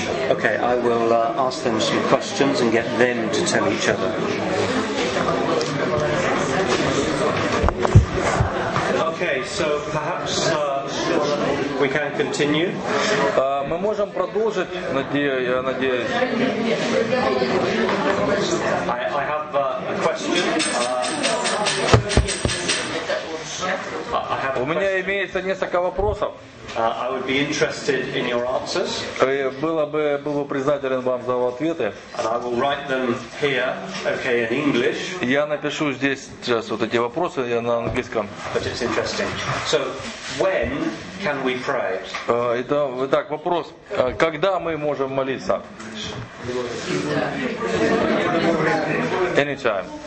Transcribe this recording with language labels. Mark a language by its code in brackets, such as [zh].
[en] Okay, I will ask them some questions and get them to tell each other. Okay, so perhaps we can continue. [ru] Мы можем продолжить, надеюсь. [en] I have a question. [ru] У меня имеется несколько вопросов. [en] I would be interested in your answers. [ru] Был бы признателен вам за ответы. [en] And I will write them here, okay, in English. [ru] Я напишу здесь сейчас вот эти вопросы я на английском. [en] But it's interesting. So when can we pray? [ru] Итак, вопрос. Когда мы можем молиться? [en] Anytime.